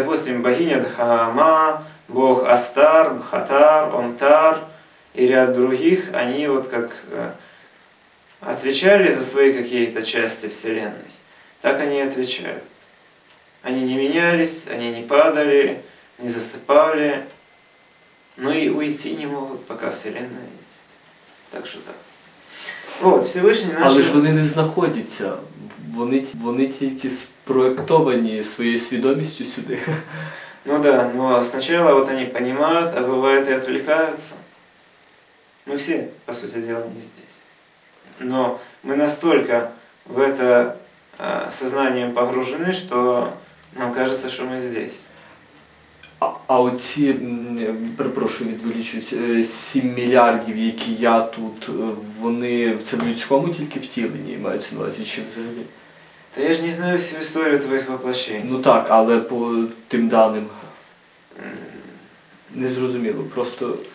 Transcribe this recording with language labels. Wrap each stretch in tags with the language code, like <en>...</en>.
<ru>Допустим, богиня Дхама, бог Астар, Мхатар, Омтар и ряд других, они вот как отвечали за свои какие-то части Вселенной, так они и отвечают. Они не менялись, они не падали, не засыпали, ну и уйти не могут, пока Вселенная есть. Так что так. Вот, Всевышний начал...</ru> <uk>Але ж вони не знаходяться, вони тільки спроектовані своєю свідомістю сюди.</uk> <ru>Ну да, но сначала вот они понимают, а бывает и отвлекаются. Мы все, по сути дела, не здесь. Но мы настолько в это сознанием погружены, что нам кажется, что мы здесь.</ru> <uk>А оці, перепрошую, відволічусь, 7 мільярдів, які я тут, вони в цьому людському тільки втіленні маються на увазі, чи взагалі? Та я ж не знаю всю історію твоїх воплощень. Ну так, але по тим даним незрозуміло, просто...</uk>